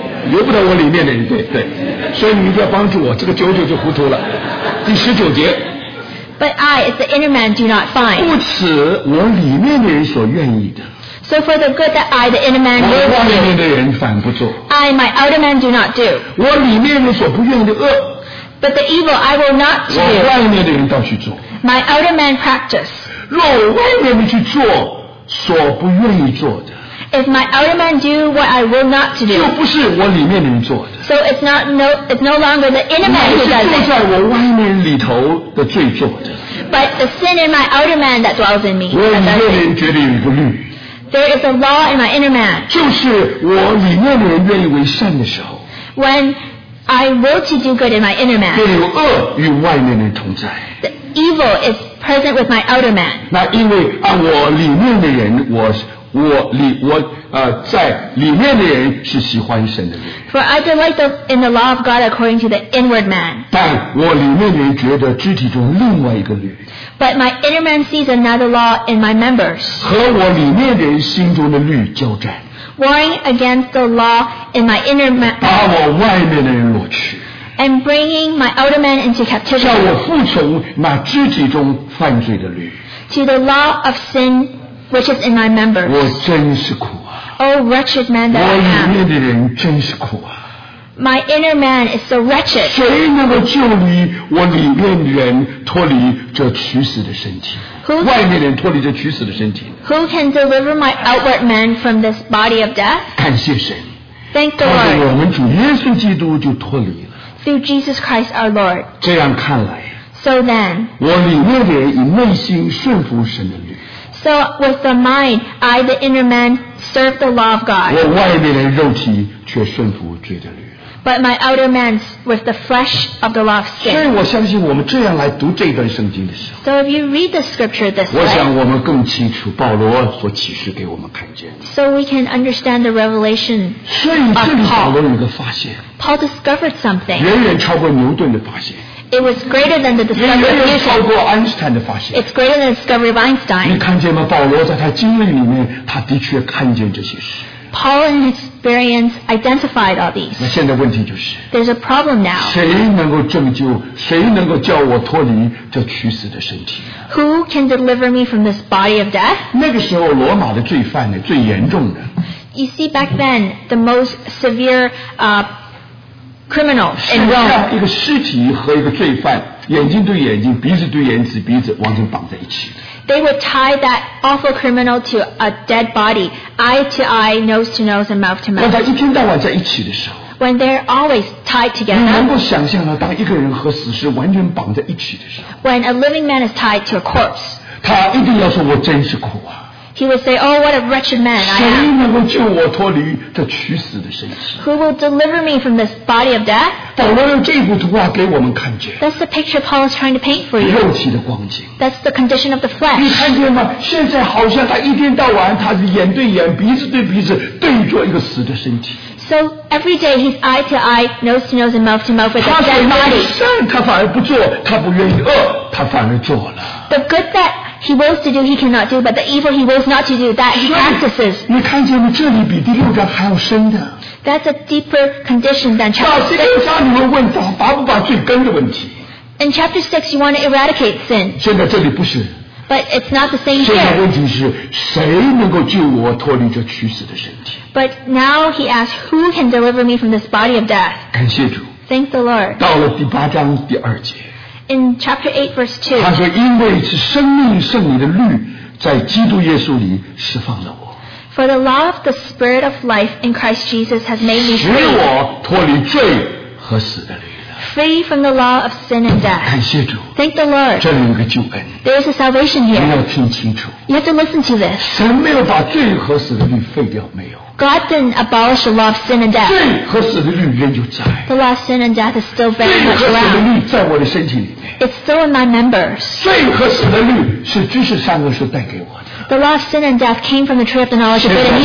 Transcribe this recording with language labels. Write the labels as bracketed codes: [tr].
[zh] 由不得我里面的人，对对，所以你一定要帮助我，这个九九就糊涂了。第十九节。 [en] But I, as the inner man, do not find. [zh] 不此我里面的人所愿意的。 [en] So for the good that I, the inner man, will do. [zh] 外面的人反不做。 [en] I, my outer man, do not do. [zh] 我里面人所不愿意的恶。 [en] But the evil I will not do. [zh] 我外面的人倒去做。 [en] My outer man practice. [zh] 若我外面的去做所不愿意做的。 [en] If my outer man do what I will not to do, [zh] 就不是我里面的人做的。 [en] So it's no longer the inner man who does it. [zh] 乃是住在我外面里头的罪做的。 [en] But the sin in my outer man that dwells in me. [zh] 我里面的人绝对有一个律。 [en] There is a law in my inner man. [zh] 就是我里面的人愿意为善的时候。 [en] When I will to do good in my inner man. [zh] 便有恶与外面的人同在。 [en] The evil is present with my outer man. [zh] 那因为按我里面的人我。在里面的人是喜欢神的人。 [en] For I delight in the law of God according to the inward man. [zh] 但我里面的人觉得肢体中另外一个律。 [en] But my inner man sees another law in my members. [zh] 和我里面的人心中的律交战。 [en] Warring against the law in my inner man. [zh] 把我外面的人掳去。 [en] And bringing my outer man into captivity. [zh] 叫我服从那肢体中犯罪的律。 [en] To the law of sin. Which is in my members. [zh] 我真是苦啊。 [en] Oh, wretched man that I am. [zh] 我里面的人真是苦啊。 [en] My inner man is so wretched. [zh] 谁能够救你我里面的人脱离这取死的身体。外面的人脱离这取死的身体。 [en] Who can deliver my outward man from this body of death? [zh] 感谢神。 [en] Thank the Lord. [zh] 靠着我们主耶稣基督就脱离了。 [en] Through Jesus Christ our Lord. [zh] 这样看来。 [en] So then. [zh] 我里面的人以内心顺服神的律。 [en] So with the mind, I, the inner man, serve the law of God. [zh] 我外面的肉体却顺服罪的律。 [en] But my outer man with the flesh of the law of sin. [zh] 所以我相信我们这样来读这段圣经的时候。 [en] So if you read the scripture this way. [zh] 我想我们更清楚保罗所启示给我们看见。 [en] So we can understand the revelation of Paul. [zh] 所以这里保罗有一个发现。 [en] Paul discovered something. [zh] 远远超过牛顿的发现。 [en] It was greater than the discovery of Einstein. It's greater than the discovery of Einstein. [zh] 你看见吗？保罗在他经历里面，他的确看见这些事。 [en] Paul and his experience identified all these. [zh] 那现在问题就是。 [en] There's a problem now. [zh] 谁能够拯救？谁能够叫我脱离这取死的身体 [en] ？Who can deliver me from this body of death? [zh] 那个时候，罗马的罪犯呢，最严重的。 [en] You see, back then, the most severe, criminals in Rome. [zh] 是一个尸体和一个罪犯，眼睛对眼睛，鼻子对眼子，鼻子完全绑在一起。 [en] They would tie that awful criminal to a dead body, eye to eye, nose to nose, and mouth to mouth. [zh] 当他一天到晚在一起的时候 [en] when they're always tied together. [zh] 你能够想象到当一个人和死尸完全绑在一起的时候。 [en] When a living man is tied to a corpse. [zh] 他一定要说我真是苦啊。 [en] He will say, oh, what a wretched man I am. [zh] 谁能够救我脱离这取死的身体。 [en] Who will deliver me from this body of death? [zh] 保罗用这幅图画给我们看见。 [en] That's the picture Paul is trying to paint for you. [zh] 肉体的光景。 [en] That's the condition of the flesh. [zh] 你看见吗？现在好像他一天到晚，他是眼对眼，鼻子对鼻子，对着一个死的身体。 [en] So every day he's eye to eye, nose to nose, and mouth to mouth with a dead body. [zh] 他反而不做，他不愿意饿，他反而做了。 [en] The good that he wills to do, he cannot do, but the evil he wills not to do, that he practices. [zh] 你看见吗？这里比第六章还要深的。 [en] That's a deeper condition than chapter 6. [zh] 到第六章你会问到拔不拔罪根的问题。 [en] In chapter 6, you want to eradicate sin. [zh] 现在这里不是。 [en] But it's not the same here. [zh] 现在问题是谁能够救我脱离这取死的身体？ [en] But now he asks, who can deliver me from this body of death? [zh] 感谢主。 [en] Thank the Lord. [zh] 到了第八章第二节。 [en] In chapter 8, verse 2, [zh] 他说因为是生命圣灵的律在基督耶稣里释放了我。 [en] For the law of the spirit of life in Christ Jesus has made me free. [zh] 使我脱离罪和死的律。 [en] Free from the law of sin and death. [zh] 感谢主。 [en] Thank the Lord. [zh] 这里有个救恩。 [en] There is a salvation here. [zh] 你要听清楚。 [en] You have to listen to this. [zh] 神没有把罪和死的律废掉，没有。 [en] God didn't abolish the law of sin and death. [zh] 罪和死的律仍旧在。 [en] The law of sin and death is still very much around. [zh] 罪和死的律在我的身体里面。 [en] It's still in my members. [zh] 罪和死的律是知识善恶树带给我的。 [en] The law of sin and death came from the tree of the knowledge of good and evil.